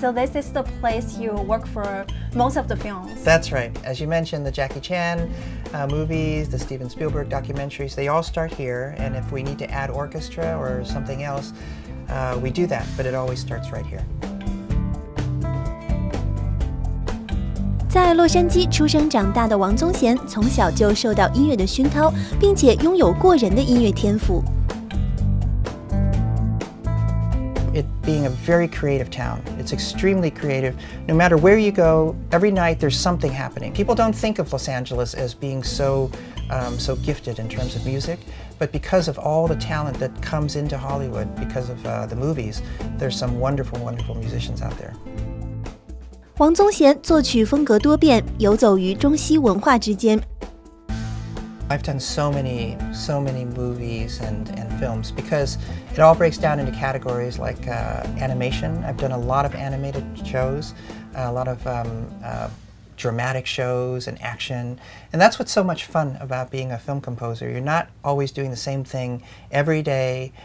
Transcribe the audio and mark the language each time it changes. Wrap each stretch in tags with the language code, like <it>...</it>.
<en>So this is the place you work for most of the films. That's right. As you mentioned, the Jackie Chan movies, the Steven Spielberg documentaries, they all start here. And if we need to add orchestra or something else, we do that. But it always starts right here.</en> <zh>在洛杉矶出生长大的王宗贤，从小就受到音乐的熏陶，并且拥有过人的音乐天赋。</zh> <en>It being a very creative town, it's extremely creative. No matter where you go, every night there's something happening. People don't think of Los Angeles as being so gifted in terms of music, but because of all the talent that comes into Hollywood, because of the movies, there's some wonderful, wonderful musicians out there.</en> <zh>王宗贤作曲风格多变，游走于中西文化之间。</zh> <en>I've done so many movies and films because it all breaks down into categories like animation. I've done a lot of animated shows, a lot of dramatic shows and action. And that's what's so much fun about being a film composer. You're not always doing the same thing every day.</en>